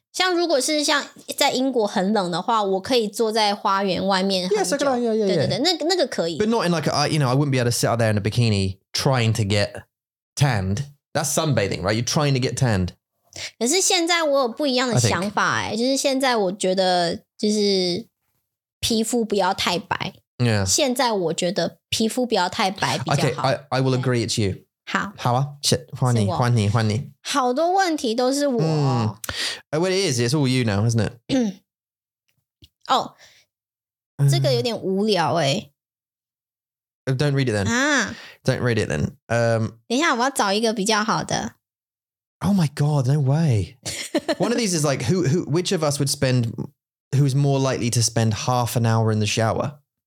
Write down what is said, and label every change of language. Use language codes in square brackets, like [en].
[zh] 像如果是像在英国很冷的话，我可以坐在花园外面很久。 [en] Yeah, so can I, yeah. [zh] 对对对，那个可以。 [en] But not in like, I wouldn't be able to sit out there in a bikini trying to get tanned. That's sunbathing, right? You're trying to get tanned. [zh] 可是现在我有不一样的想法耶，就是现在我觉得就是皮肤不要太白。 [en] Yeah. [zh] 现在我觉得皮肤不要太白比较好。 [en] Okay, I will agree it's you. [zh] 好。好啊 ,shit, 欢你。好多问题都是我。 [en] Well, it is, it's all you now, isn't it? [zh] 这个有点无聊耶。 [en] Don't read it then. Don't read it then. [zh] 等一下我要找一个比较好的。 [en] Oh my god, no way. One of these is like, which of us would spend, who's more likely to spend half an hour in the shower?